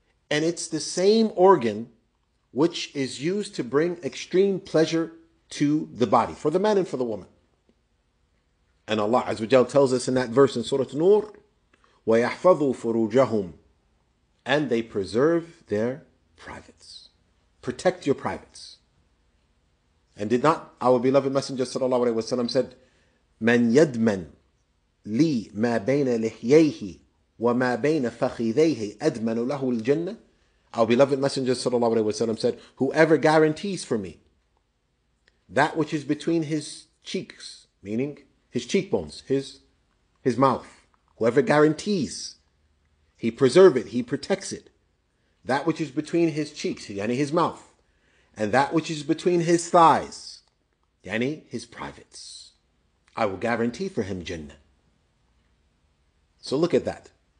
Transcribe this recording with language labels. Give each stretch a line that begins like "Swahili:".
English: And it's the same organ which is used to bring extreme pleasure to the body, for the man and for the woman. And Allah Azza wa Jalla tells us in that verse in Surah Nur,
Arabic: وَيَحْفَظُوا فُرُوجَهُمْ,
English: and they preserve their privates. Protect your privates. And did not our beloved Messenger sallallahu alaihi wasallam said,
Arabic: مَنْ يَدْمَنْ لِي مَا بَيْنَ لِحْيَيْهِ وَمَا بَيْنَ فَخِذَيْهِ أَدْمَنُ لَهُ الْجَنَّةِ.
English: Our beloved Messenger sallallahu alaihi wasallam said, whoever guarantees for me that which is between his cheeks, meaning his cheekbones, his mouth, whoever guarantees, he preserve it, he protects it, that which is between his cheeks, yani his mouth, and that which is between his thighs, yani his privates, I will guarantee for him Jannah. So look at that.